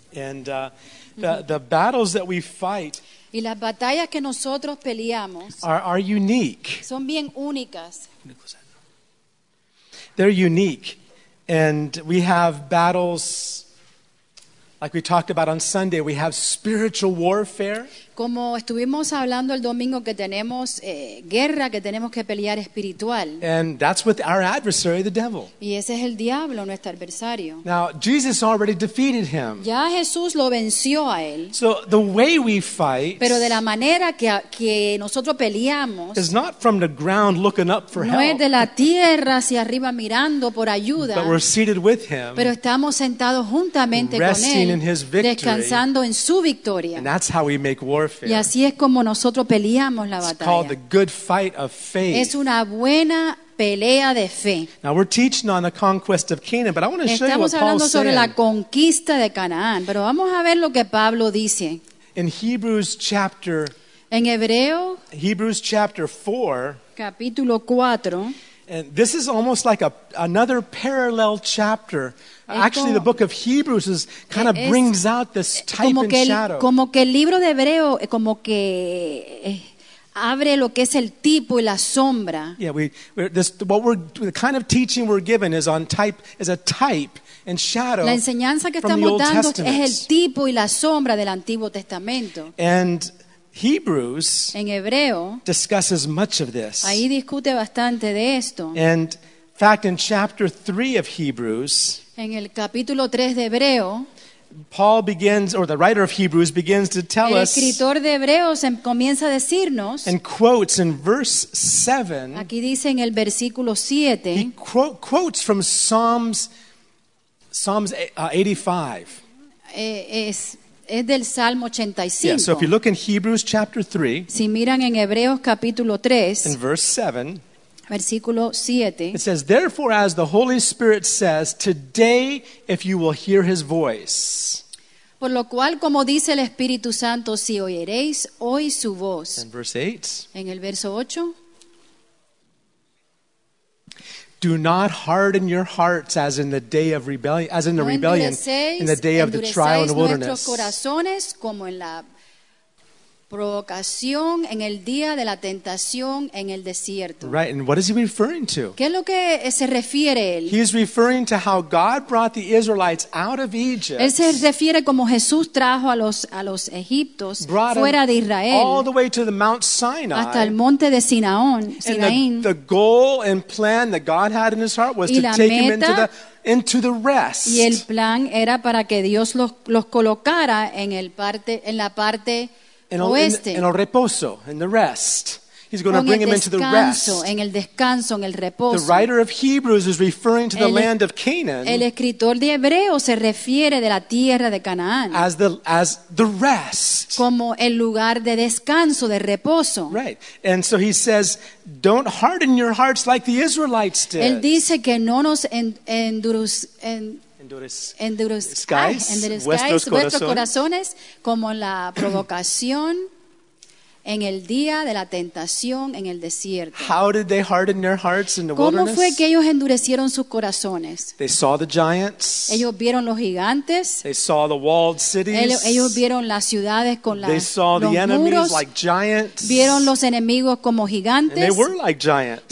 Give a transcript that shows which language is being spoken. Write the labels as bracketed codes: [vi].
[en] And the battles that we fight, [es] y las batallas que nosotros peleamos, [en] are unique. [es] Son bien únicas. [en] They're unique. And we have battles, like we talked about on Sunday, we have spiritual warfare. [es] Como estuvimos hablando el domingo, que tenemos guerra, que tenemos que pelear espiritual. [en] And that's with our adversary, the devil. [es] Y ese es el diablo, nuestro adversario. [en] Now, Jesus already defeated him. [es] Ya Jesús lo venció a él. [en] So the way we fight, [es] pero de la manera que nosotros peleamos, [en] is not from the ground looking up for help. [es] No es de la tierra hacia arriba mirando por ayuda. [en] But we're seated with him, [es] pero estamos sentados juntamente con él, [en] resting in his victory, [es] descansando en su victoria. [en] And that's how we make warfare. [es] Y así es como nosotros peleamos la batalla. [en] It's called the good fight of faith. [es] Es una buena pelea de fe. [en] Now we're teaching on the conquest of Canaan, but I want to show you what Paul said. [es] Estamos hablando sobre la conquista de Canaán, pero vamos a ver lo que Pablo dice. [en] In Hebrews chapter, [es] en Hebreo, [en] Hebrews chapter 4, [es] capítulo 4, [en] and this is almost like another parallel chapter. Actually, the book of Hebrews is kind of brings out this type [es] como que [en] and shadow. [es] Como que el libro de Hebreo como que abre lo que es el tipo y la sombra. [en] Yeah, the kind of teaching we're given is on type, is a type and shadow. [es] La enseñanza que estamos dando es el tipo y la sombra del Antiguo Testamento. [en] And Hebrews, [es] en Hebreo, [en] discusses much of this. [es] Ahí discute bastante de esto. [en] And in fact, in chapter 3 of Hebrews, [es] en el capítulo 3 de Hebreo, [en] Paul begins, or the writer of Hebrews begins to tell [es] us, el escritor de Hebreos comienza a decirnos, [en] and quotes in verse 7, [es] aquí dice en el versículo 7, [en] he quotes from Psalms 85. [es] Es del Salmo 85. [en] Yeah, so if you look in Hebrews chapter 3, [es] si miran en Hebreos capítulo 3, [en] in verse 7, [es] versículo 7, [en] it says, therefore, as the Holy Spirit says, today, if you will hear his voice. [es] Por lo cual, como dice el Espíritu Santo, si oyeréis hoy su voz. [en] In verse 8, [es] en el verso 8, [en] do not harden your hearts as in the day of rebellion, as in the rebellion, in the day of the trial in the wilderness. [es] Endurecéis nuestros corazones como en la provocación en el día de la tentación en el desierto. [en] Right, and what is he referring to? [es] ¿Qué es lo que se refiere él? [en] He is referring to how God brought the Israelites out of Egypt. [es] Él se refiere como Jesús trajo a los egiptos fuera de Israel. [en] All the way to the Mount Sinai. [es] Hasta el monte de Sinaí. [en] And the goal and plan that God had in his heart was to take him into the rest. [es] Y el plan era para que Dios los colocara en la parte En el reposo, en el rest. [en] He's going [es] con [en] to bring him into the rest. [es] En el descanso, en el reposo. [en] The writer of Hebrews is referring to the land of Canaan. [es] El escritor de Hebreo se refiere de la tierra de Canaán. [en] As the rest. [es] Como el lugar de descanso, de reposo. [en] Right. And so he says, don't harden your hearts like the Israelites did. [es] Él dice que no nos endurezcáis vuestros corazones como la provocación En el día de la tentación en el desierto. [en] How did they harden their hearts in the [es] ¿Cómo [en] wilderness? [es] Fue que ellos endurecieron sus corazones? [en] They saw the giants. [es] Ellos vieron los gigantes. [en] They saw the walled cities. [es] Ellos vieron las ciudades con las [en] They saw [es] los [en] the enemies [es] muros. [en] Like giants. [es] Vieron los enemigos como gigantes. [en] And they were like giants.